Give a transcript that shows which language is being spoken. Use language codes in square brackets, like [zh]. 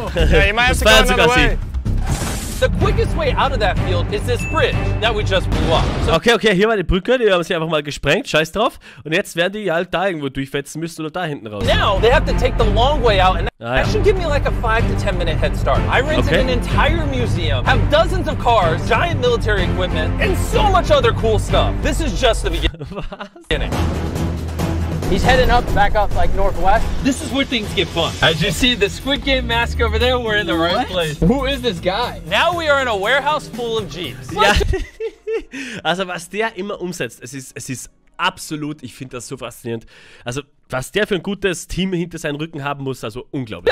[en] Yeah, you might have to go another way. The quickest way out of that field is this bridge that we just blew up. [de] So okay, hier war die Brücke, die haben sie einfach mal gesprengt, scheiß drauf. Und jetzt werden die halt da irgendwo durchfetzen müssen oder da hinten raus. [en] Now they have to take the long way out and that should give me like a 5 to 10 minute head start. I rented an entire museum, have dozens of cars, giant military equipment and so much other cool stuff. This is just the beginning. He's heading up, back up, like northwest. This is where things get fun. As you see, the Squid Game mask over there, we're in the right place. Who is this guy? Now we are in a warehouse full of Jeeps. Yeah. [de] Also, was der immer umsetzt, es ist absolut, ich finde das so faszinierend. Also, was der für ein gutes Team hinter seinem Rücken haben muss, also unglaublich.